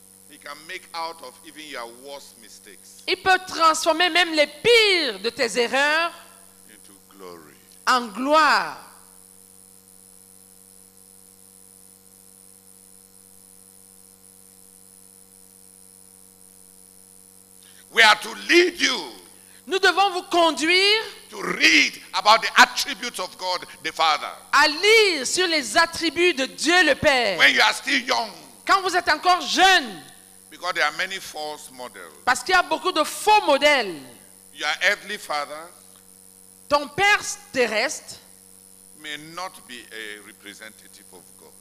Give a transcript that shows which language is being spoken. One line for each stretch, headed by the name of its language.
English: He can make out of even your worst mistakes.
French: Il peut transformer même les pires de tes erreurs
English: into glory.
French: En gloire.
English: We are to lead you.
French: Nous devons vous conduire.
English: To read about the attributes of God the Father.
French: À lire sur les attributs de Dieu le Père.
English: When you are still young.
French: Quand vous êtes encore jeune.
English: Because there are many false models.
French: Parce qu'il y a beaucoup de faux modèles.
English: Your earthly father.
French: Ton père terrestre.
English: May not be a representative of God.